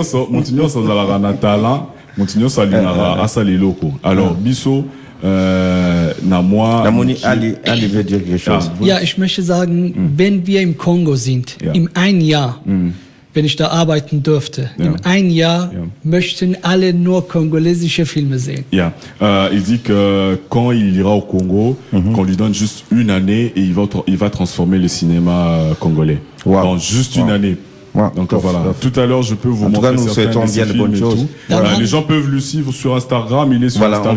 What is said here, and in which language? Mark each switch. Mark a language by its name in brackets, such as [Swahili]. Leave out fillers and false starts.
[French] Moutignon, ça a un talent. Moutignon, ça a un talent. Alors, Bissot, Namoni, Ali veut dire quelque chose. [German] Ja, ich möchte sagen, wenn wir im Kongo sind, im ein Jahr, wenn ich da arbeiten dürfte, im ein Jahr möchten alle nur kongolesische Filme sehen. [French] Ja, il dit que quand il ira au Congo, qu'on lui donne juste une année et il va transformer le cinéma congolais. Wow. Dans juste une année. Ouais, donc voilà. Tout à l'heure, je peux vous montrer. En tout cas, nous souhaitons bien de bonnes choses. Voilà, les gens peuvent le suivre sur Instagram. Il est sur Instagram.